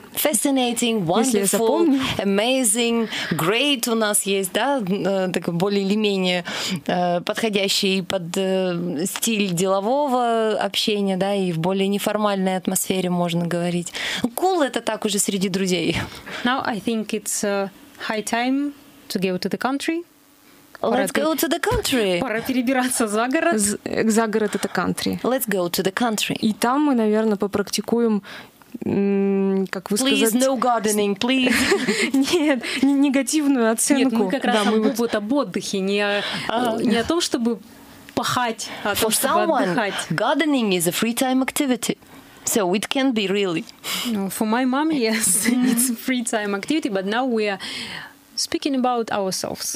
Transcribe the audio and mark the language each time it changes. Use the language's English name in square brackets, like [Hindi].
[English] Fascinating, wonderful, amazing, great [Russian] у нас есть, да, так более или менее подходящий под стиль делового общения, да, и в более неформальной атмосфере можно говорить. Cool – это так уже среди друзей. [English] Now I think it's high time to go to the country. Let's go to the country. [Russian] Пора перебираться за город. За город – это country. [English] Let's go to the country. [Russian] И там мы, наверное, попрактикуем... как вы [English] please, [Russian] сказать... [English] no gardening, please. [Russian] Нет, негативную оценку. Нет, мы как раз будет об отдыхе, не о том, чтобы пахать, а о том, чтобы отдыхать. [English] Gardening is a free time activity. So it can be really. For my mom, yes, it's a free time activity, but now we are speaking about ourselves.